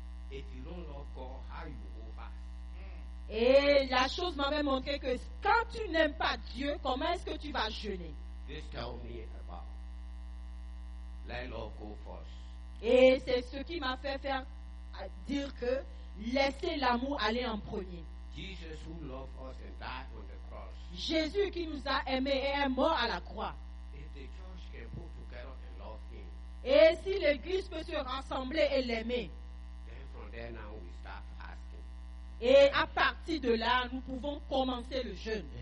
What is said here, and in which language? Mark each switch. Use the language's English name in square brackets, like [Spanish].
[English] If you don't love God, how you go fast? [French] Et la chose m'a même montré que quand tu n'aimes pas Dieu, comment est-ce que tu vas jeûner? [English] This tells me about let love go first. [French] Et c'est ce qui m'a fait faire dire que laisser l'amour aller en premier. [English] Jesus who loved us and died on the cross. [French] Jésus qui nous a aimés et est mort à la croix. [English] If the church can put together and love him, [French] et si l'Église peut se rassembler et l'aimer. [English] Then from there now we start fasting. [French] Et à partir de là, nous pouvons commencer le jeûne.